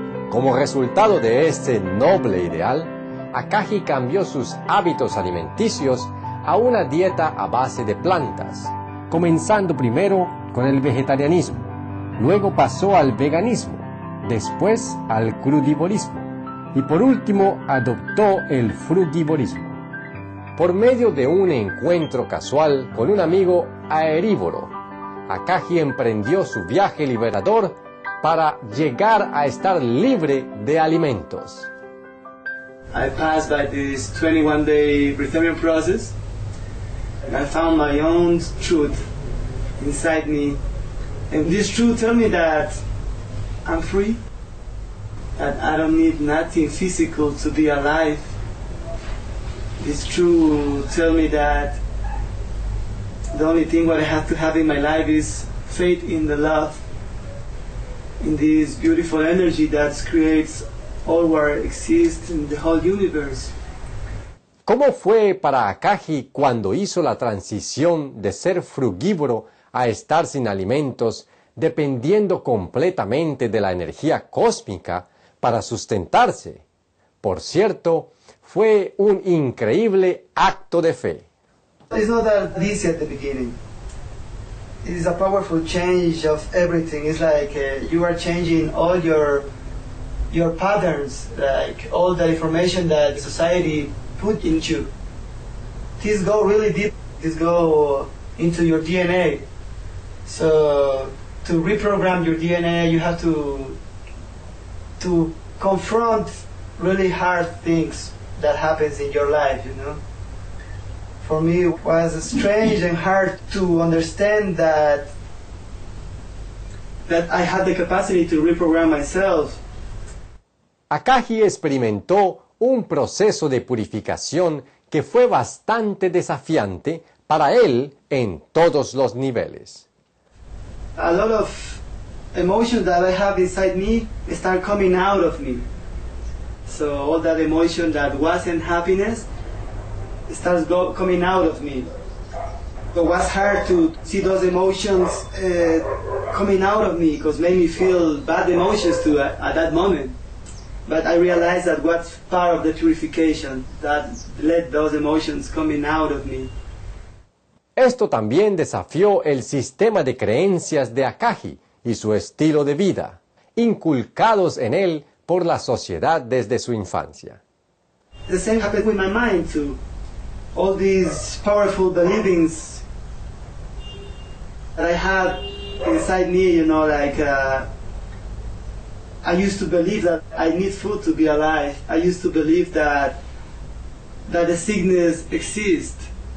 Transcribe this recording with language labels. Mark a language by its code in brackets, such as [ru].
[es] Como resultado de este noble ideal, Akagi cambió sus hábitos alimenticios a una dieta a base de plantas, comenzando primero con el vegetarianismo, luego pasó al veganismo, después al crudivorismo y por último adoptó el frugivorismo. Por medio de un encuentro casual con un amigo aerívoro, Akagi emprendió su viaje liberador para llegar a estar libre de alimentos. [en] I passed by this 21-day breatharian process and I found my own truth inside me, and this truth tells me that I'm free, that I don't need nothing physical to be alive. This truth tells me that the only thing what I have to have in my life is faith in the love, in this beautiful energy that creates all what exists in the whole universe. [es] ¿Cómo fue para Akagi cuando hizo la transición de ser frugívoro a estar sin alimentos, dependiendo completamente de la energía cósmica para sustentarse? Por cierto, fue un increíble acto de fe. [en] It's not that easy at the beginning. It is a powerful change of everything. It's like you are changing all your patterns, like all the information that society put in you. This go really deep. This go into your DNA. So to reprogram your DNA, you have to confront really hard things that happens in your life, you know. For me, it was strange and hard to understand that I had the capacity to reprogram myself. [es] Akagi experimentó un proceso de purificación que fue bastante desafiante para él en todos los niveles. [en] A lot of emotions that I have inside me start coming out of me. So all that emotion that wasn't happiness starts coming out of me. It was hard to see those emotions coming out of me because it made me feel bad emotions too at that moment. But I realized that was part of the purification that let those emotions coming out of me. [es] Esto también desafió el sistema de creencias de Akagi y su estilo de vida, inculcados en él por la sociedad desde su infancia. [en] The same happened with my mind too. All these powerful believings that I had inside me, you know, like I used to believe that I need food to be alive. I used to believe that the sickness exists.